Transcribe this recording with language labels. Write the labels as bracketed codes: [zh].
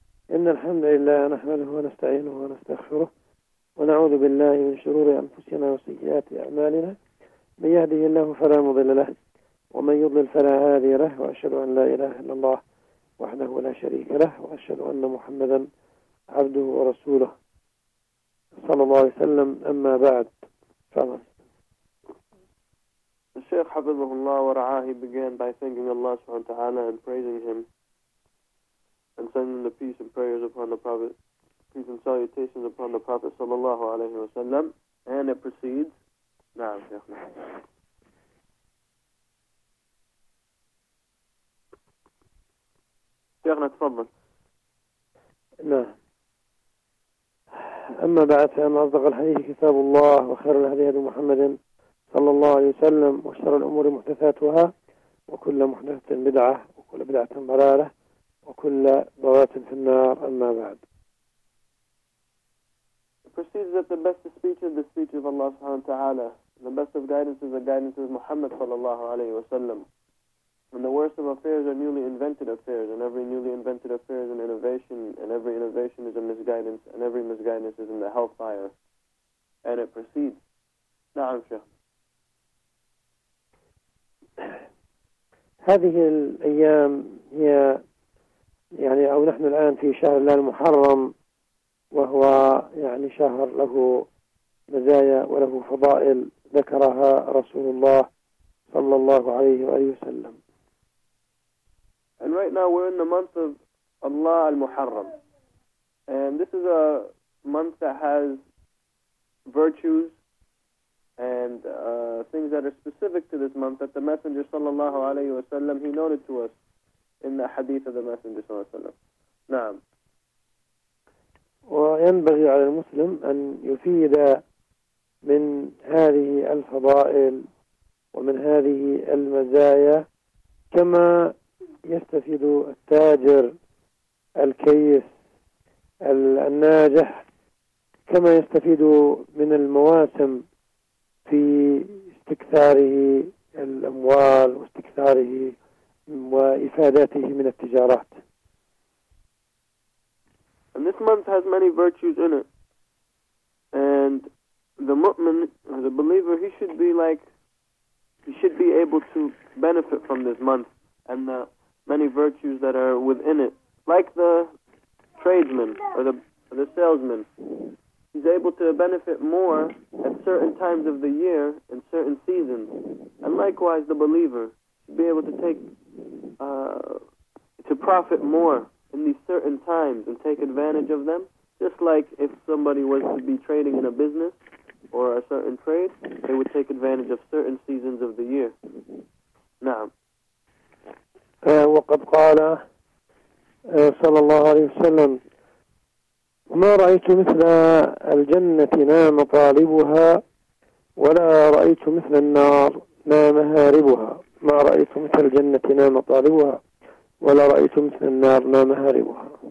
[ar] إن الحمد لله نحمده ونستعينه ونستغفره ونعوذ بالله من شرور أنفسنا وسيئات أعمالنا، من يهده الله فلا مضل له ومن يضلل فلا هادي له، وأشهد أن لا إله إلا الله وحده لا شريك له، وأشهد أن محمدا عبده ورسوله صلى الله عليه وسلم. أما بعد فضل الشيخ حفظه الله ورعاه [en] began by thanking Allah سبحانه وتعالى and praising him and sending the peace and prayers upon the Prophet, peace and salutations upon the Prophet صلى الله عليه وسلم, and it proceeds. [ar] نعم شيخنا. شيخنا تفضل. أما بعد فإن أصدق الحديث كتاب الله وخير الهدي هدي محمد صلى الله عليه وسلم، وشر الأمور محدثاتها وكل محدثة بدعة وكل بدعة ضلالة وكل ضلالة في النار. أما بعد. [en] It proceeds that the best speech is the speech of Allah سبحانه وتعالى. The best of guidance is the guidance of Muhammad صلى الله عليه وسلم. And the worst of affairs are newly invented affairs, and every newly invented affair is an innovation, and every innovation is a misguidance, and every misguidance is in the hellfire. And it proceeds. [ar] نعم شيخ. هذه الأيام هي يعني أو نحن الآن في شهر الله المحرم، وهو يعني شهر له مزايا وله فضائل ذكرها رسول الله صلى الله عليه وآله وسلم. [en] And right now we're in the month of Allah al-Muharram. And this is a month that has virtues and things that are specific to this month that the Messenger sallallahu alayhi wa sallam, he noted to us in the hadith of the Messenger sallallahu alayhi wa sallam. [ar] نعم. وينبغي على المسلم أن يفيد من هذه الفضائل ومن هذه المزايا كما يستفيد التاجر الكيس الناجح، كما يستفيد من المواسم في استكثاره الأموال واستكثاره وإفاداته من التجارات. [en] And this month has many virtues in it. And the mu'min, the believer, he should be like, he should be able to benefit from this month and the many virtues that are within it, like the tradesman or the salesman. He's able to benefit more at certain times of the year and certain seasons. And likewise, the believer should be able to take to profit more in these certain times and take advantage of them. Just like if somebody was to be trading in a business or a certain trade, they would take advantage of certain seasons of the year. [ar] نعم. وقد قال صلى الله عليه وسلم: ما رأيت مثل الجنة نام طالبها، ولا رأيت مثل النار نام هاربها. ما رأيت مثل الجنة نام طالبها، ولا رأيت مثل النار نام هاربها.